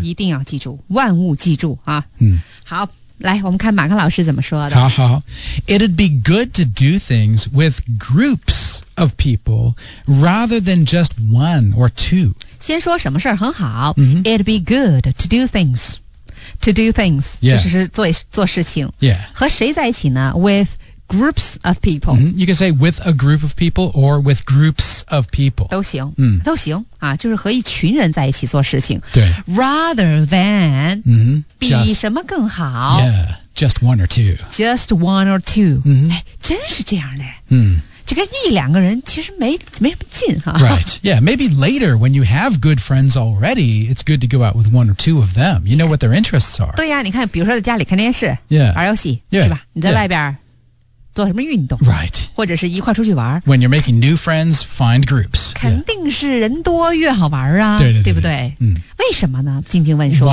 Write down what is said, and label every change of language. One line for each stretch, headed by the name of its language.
Chinese: 一定要记住万物记住啊、好来我们看马克老师怎么说的
English: 好好 It'd be good to do things with groups of people rather than just one or two
Chinese: 先说什么事很好、
English: It'd be good to do things To do things、 yeah.
Chinese: 就是 做事情、
English: yeah.
Chinese: 和谁在一起呢
English: With groups of people、 You can say with a group of people or with groups of people
Chinese: 都行、都行啊，就是和一群人在一起做事情对
English: Rather than、
Chinese: 比什么更好
English: Just one or two Just one or two、
Chinese: 真是这样的、这个一两个人其实 没什么劲、
English: Right Yeah Maybe later when you have good friends already It's good to go out with one or two of them You know what their interests are
Chinese: 对呀、你看比如说在家里看电视、
English: yeah.
Chinese: 玩游戏、
English: yeah.
Chinese: 是吧你在外边、
English: yeah.
Chinese: 做什么运动
English: Right
Chinese: 或者是一块出去玩
English: When you're making new friends Find groups
Chinese: 肯定是人多越好玩啊对, 对, 对, 对, 对不对、为什么呢静静问说